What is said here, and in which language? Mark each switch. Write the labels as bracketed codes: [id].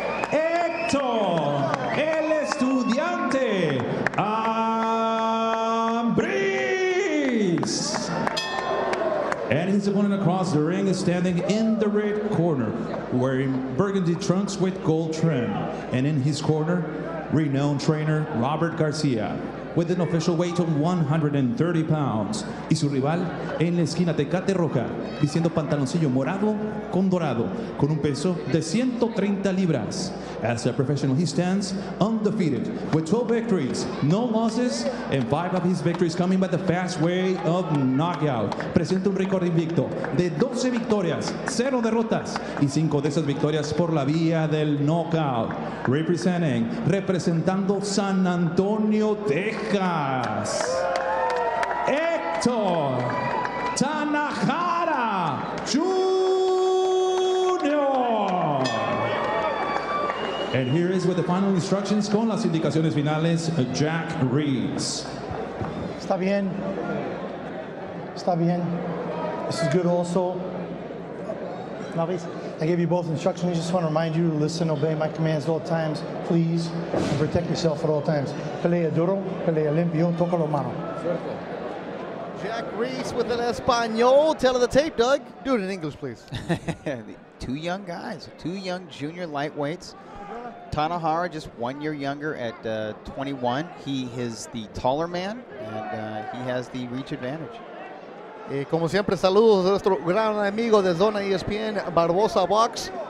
[es] Hector, el estudiante, AMBRIZ. [en] And his opponent across the ring is standing in the red corner, wearing burgundy trunks with gold trim. And in his corner, renowned trainer Robert Garcia, with an official weight of 130 pounds. [es] Y su rival en la esquina de Tecate Roja, vistiendo pantaloncillo morado con dorado, con un peso de 130 libras. [en] As a professional, he stands undefeated with 12 victories, no losses, and 5 of his victories coming by the fast way of knockout. [es] Presenta un récord invicto de 12 victorias, 0 derrotas, y 5 de esas victorias por la vía del knockout. Representando San Antonio, Texas, Hector Tanajara Jr. [en] And here is with the final instructions, [es] con las indicaciones finales, [en] Jack Reese. [es] Está bien. Está bien. [en] This is good also. I gave you both instructions. I just want to remind you to listen, obey my commands at all times, please, and protect yourself at all times. [es] Pelea duro, pelea limpio, toca la mano. [en] Jack Reese with an Espanol. Tell of the tape, Doug. Do it in English, please. Two young guys, two young junior lightweights. Tanahara just 1 year younger at 21. He is the taller man, and he has the reach advantage. [es] Como siempre, saludos a nuestro gran amigo de Zona ESPN, Barbosa Box.